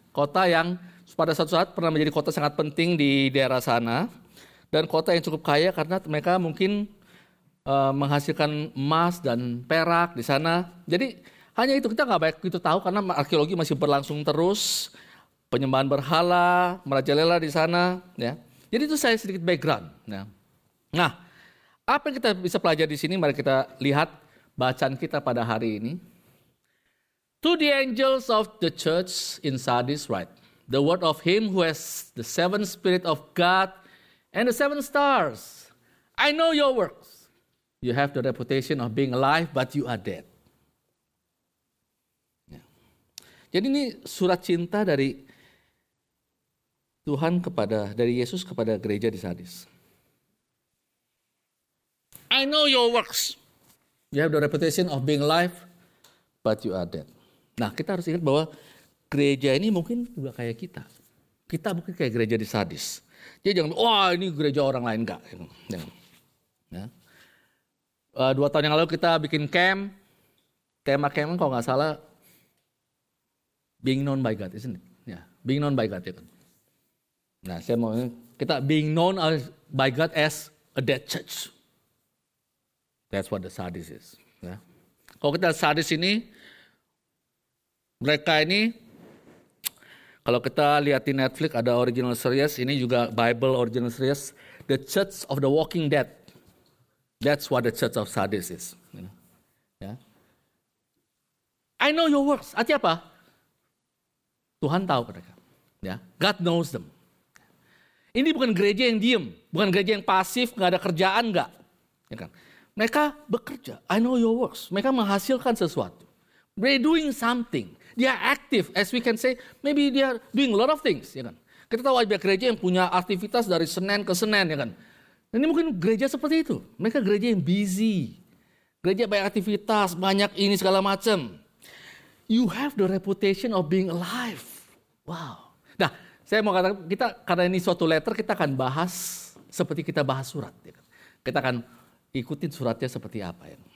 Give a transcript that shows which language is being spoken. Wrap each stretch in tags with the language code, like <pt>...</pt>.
<id>Kota yang pada suatu saat pernah menjadi kota sangat penting di daerah sana, dan kota yang cukup kaya karena mereka mungkin menghasilkan emas dan perak di sana. Jadi hanya itu, kita nggak banyak itu tahu karena arkeologi masih berlangsung terus, penyembahan berhala, merajalela di sana, ya. Jadi itu saya sedikit background. Ya. Nah, apa yang kita bisa pelajari di sini? Mari kita lihat bacaan kita pada hari ini.</id> <en>To the angels of the church in Sardis write, the word of him who has the seven spirit of God and the seven stars. I know your works. You have the reputation of being alive, but you are dead. Yeah.</en> <id>Jadi ini surat cinta dari Tuhan kepada, dari Yesus kepada gereja di Sardis.</id> <en>I know your works. You have the reputation of being alive, but you are dead.</en> <id>Nah, kita harus ingat bahwa gereja ini mungkin juga kayak kita. Kita mungkin kayak gereja di Sardis. Jadi jangan, wah ini gereja orang lain, enggak. Ya. 2 tahun yang lalu kita bikin camp. Tema-tema kalau enggak salah,</id> <en>being known by God, isn't it? Ya, being known by God,</en> <id>ya kan? Nah, saya mau kita</id> <en>being known by God as a dead church. That's what the Sardis is.</en> <id>Ya. Kalau kita Sardis ini, mereka ini, kalau kita lihat di Netflix ada original series, ini juga Bible original series, The Church of the Walking Dead.</id> <en>That's what the Church of Sardis is.</en> <id>Ya.</id> <en>I know your works.</en> <id>Arti apa? Tuhan tahu mereka. Ya.</id> <en>God knows them.</en> <id>Ini bukan gereja yang diem, bukan gereja yang pasif, nggak ada kerjaan, nggak. Ya kan? Mereka bekerja.</id> <en>I know your works.</en> <id>Mereka menghasilkan sesuatu.</id> <en>They doing something. They are active, as we can say. Maybe they are doing a lot of things.</en> <id>Ya kan? Kita tahu ada gereja yang punya aktivitas dari Senin ke Senin, ya kan? Ini mungkin gereja seperti itu. Mereka gereja yang busy, gereja banyak aktivitas, banyak ini segala macam.</id> <en>You have the reputation of being alive. Wow.</en> <id>Nah, saya mau katakan kita karena ini suatu letter, kita akan bahas seperti kita bahas surat. Ya kan? Kita akan ikutin suratnya seperti apa ya.</id>